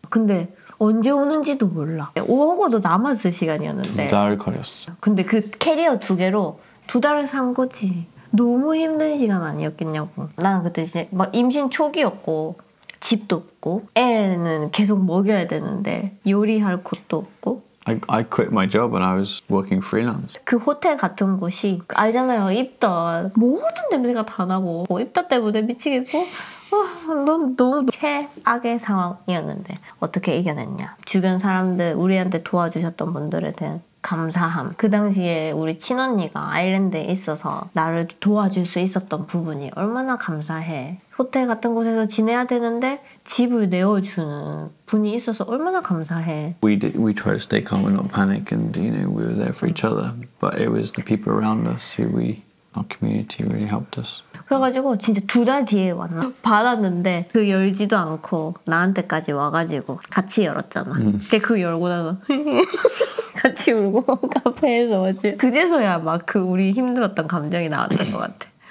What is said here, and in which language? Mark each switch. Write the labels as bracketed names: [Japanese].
[Korean] 근데 언제 오는지도 몰라. 오고도 남았을 시간이었는데 두 달 걸렸어. 근데 그 캐리어 두 개로 두 달을 산 거지. 너무 힘든 시간 아니었겠냐고. 나는 그때 이제 막 임신 초기였고 집도 없고 애는 계속 먹여야 되는데 요리할 곳도 없고 [English] I quit my job and I was working freelance. [Korean] 그 호텔 같은 곳이 알잖아요. 입덧 모든 냄새가 다 나고 입덧 때문에 미치겠고 너무 최악의 상황이었는데 어떻게 이겨냈냐. 주변 사람들 우리한테 도와주셨던 분들에 대한 감사함. 그 당시에 우리 친언니가 아일랜드에 있어서 나를 도와줄 수 있었던 부분이 얼마나 감사해. 호텔 같은 곳에서 지내야 되는데 집을 내어주는 분이 있어서 얼마나 감사해. [English] We tried to stay calm and not panic and you know we were there for each other. But it was the people around us who we our community really helped us. [Korean] 그래가지고 진짜 두 달 뒤에 왔나? 받았는데 그 열지도 않고 나한테까지 와가지고 같이 열었잖아. 근데 그 열고 나서 같이 울고 카페에서 왔지. 그제서야 막 그 우리 힘들었던 감정이 나왔던 것 같아.